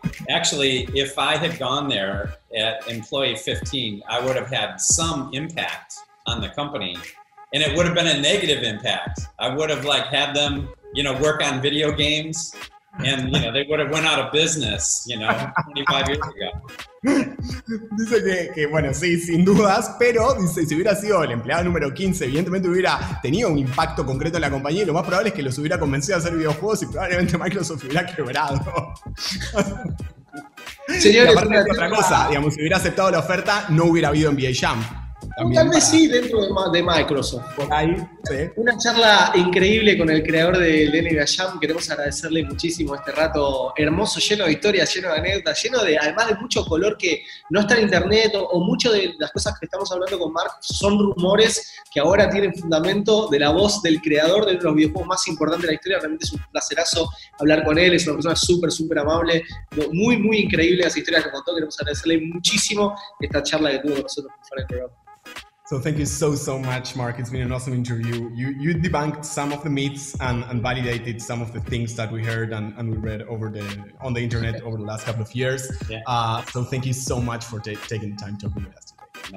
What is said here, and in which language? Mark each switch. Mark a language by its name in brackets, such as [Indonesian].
[English] actually, if I had gone there at employee 15, I would have had some impact on the company, and it would have been a negative impact. I would have like had them, you know, work on video games, and you know, they would have went out of business, you know, 25 years ago. [Spanish] Dice que bueno, sí, sin dudas, pero dice, si hubiera sido el empleado número 15, evidentemente hubiera tenido un impacto concreto en la compañía, y lo más probable es que los hubiera convencido a hacer videojuegos y probablemente Microsoft hubiera quebrado. Señores, y aparte de otra cosa, digamos, si hubiera aceptado la oferta, no hubiera habido NBA Jam. También tal vez para... sí, dentro de Microsoft. Por ahí, sí. Una charla increíble con el creador de NBA Jam. Queremos agradecerle muchísimo este rato hermoso, lleno de historias, lleno de anécdotas, lleno de, además de mucho color que no está en internet, o mucho de las cosas que estamos hablando con Mark son rumores que ahora tienen fundamento de la voz del creador de uno de los videojuegos más importantes de la historia. Realmente es un placerazo hablar con él, es una persona súper, súper amable, muy, muy increíble las historias que contó. Queremos agradecerle muchísimo esta charla que tuvo con nosotros para el programa. [English] So thank you so, so much, Mark. It's been an awesome interview. You debunked some of the myths and validated some of the things that we heard and we read over the on the internet over the last couple of years. Yeah. So thank you so much for taking the time to talk with us today.